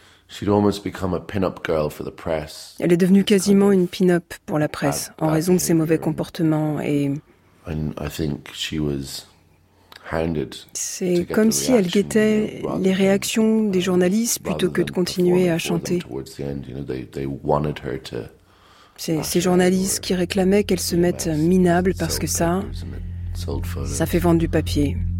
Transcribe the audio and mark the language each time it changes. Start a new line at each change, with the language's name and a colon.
English: She'd almost become a pin-up girl for the press.
French: Elle est devenue quasiment une pin-up pour la presse en raison de ses mauvais comportements et.
English: And I think she was hounded.
French: C'est comme si elle guettait les réactions des journalistes plutôt que de continuer à chanter. C'est ces journalistes qui réclamaient qu'elle se mette minable parce que ça fait vendre du papier.